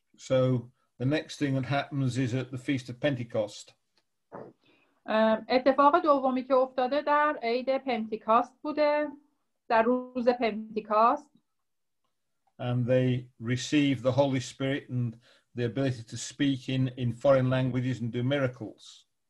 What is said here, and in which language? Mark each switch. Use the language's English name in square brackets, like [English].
[English] So the next thing that happens is at the feast of Pentecost. [Persian] اتفاق دومی که افتاده در عید پنتیکاست بوده در روز پنتیکاست. [English] And they receive the Holy Spirit and the ability to speak in foreign languages and do miracles.